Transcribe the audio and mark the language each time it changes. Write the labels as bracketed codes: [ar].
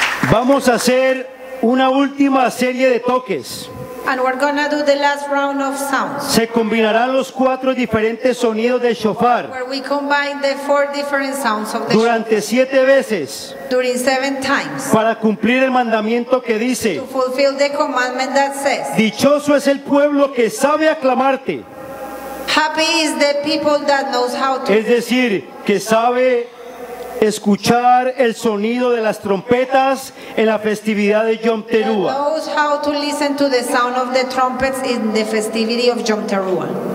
[es] Vamos a hacer una última serie de toques. [en] And we're gonna do the last round of sounds. [es] Se combinarán los cuatro diferentes sonidos de shofar. [en] Where we combine the four different sounds of the [es] durante siete veces. [en] During seven times. [es] Para cumplir el mandamiento que dice. [en] To fulfill the commandment that says. [es] Dichoso es el pueblo que sabe aclamarte. [en] Happy is the people that knows how to. [es] Es decir, que sabe escuchar el sonido de las trompetas en la festividad de Yom Teruah. [en] Knows how to listen to the sound of the trumpets in the festivity of Yom Teruah.